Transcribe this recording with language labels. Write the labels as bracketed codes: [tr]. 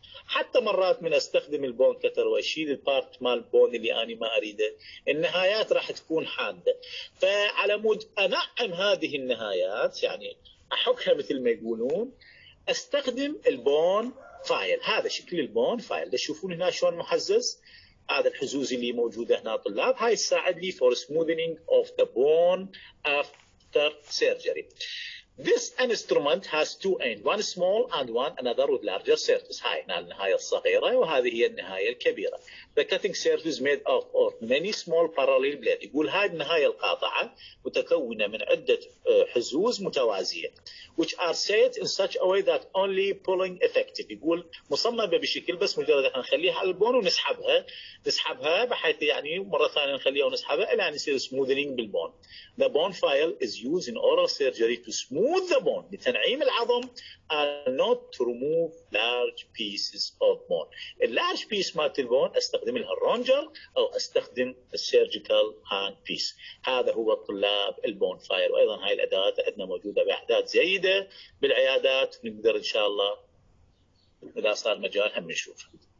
[ar] حتى مرات من استخدم البون كتر واشيل البارت مال بون اللي انا ما اريده النهايات راح تكون حاده، فعلى مود انعم هذه النهايات يعني احكها مثل ما يقولون استخدم البون فايل. هذا شكل البون فايل. تشوفون هنا شلون محزز هذا الحزوز اللي موجوده هنا طلاب، هاي تساعد لي فور سموذنينج اوف ذا بون افتر سيرجري. [en] This instrument has two ends, one small and one another with larger surface. [ar] هاي النهاية الصغيرة وهذه هي النهاية الكبيرة. [en] The cutting surface is made of many small parallel blades. [ar] يقول هاي النهاية القاطعة متكونة من عدة حزوز متوازية. [en] Which are set in such a way that only pulling effective. [ar] يقول مصممة بشكل بس مجرد احنا نخليها على البون ونسحبها. نسحبها بحيث يعني مرة ثانية نخليها ونسحبها إلى أن يصير smoothing بالبون. [en] The bone file is used in oral surgery to smooth the bone. [ar] لتنعيم العظم [en] and not to remove large pieces of bone. A large piece of the bone [ar] استخدم لها الرونجر أو استخدم السيرجيكال هاند بيس. هذا هو الطلاب البون فاير. وأيضا هاي الأدوات عندنا موجودة بأعداد زايدة بالعيادات، نقدر إن شاء الله إذا صار مجال هم نشوفها.